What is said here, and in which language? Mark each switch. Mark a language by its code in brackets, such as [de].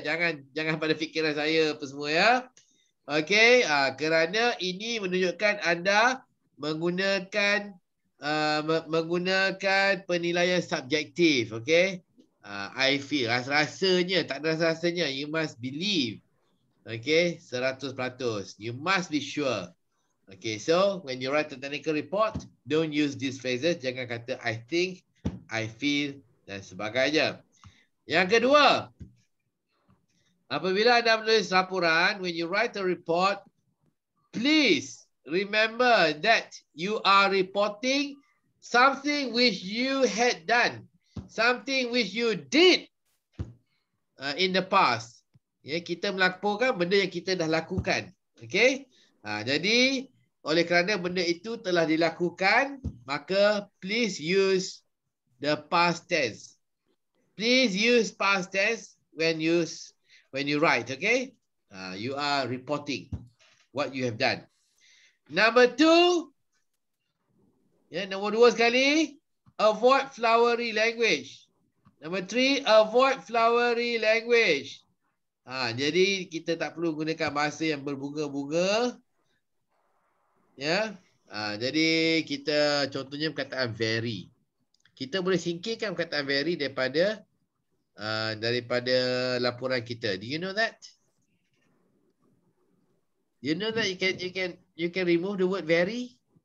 [ms] Jangan pada fikiran saya apa semua, ya. Okay, kerana ini menunjukkan anda menggunakan menggunakan penilaian subjektif, okay? [en] I feel, [ms] rasanya, tak ada rasanya. [en] You must believe. Okay, 100%. You must be sure. Okay, so when you write a technical report, don't use these phrases. [ms] Jangan kata [en] I think, I feel [ms] dan sebagainya. Yang kedua, apabila anda menulis laporan, [en] when you write a report, please remember that you are reporting something which you had done, something which you did in the past. [ms] Ya, kita melaporkan benda yang kita dah lakukan. Okay? Ha, jadi, oleh kerana benda itu telah dilakukan, maka [en] please use the past tense. Please use past tense when you write. Okay? You are reporting what you have done. Number two. [ms] Ya, nombor dua sekali. [en] Avoid flowery language. Number three. Avoid flowery language. [ms] Ha, jadi kita tak perlu gunakan bahasa yang berbunga-bunga. Ya. Ah, jadi kita contohnya perkataan very. Kita boleh singkirkan perkataan very daripada daripada laporan kita. [en] Do you know that? You know that you can remove the word very?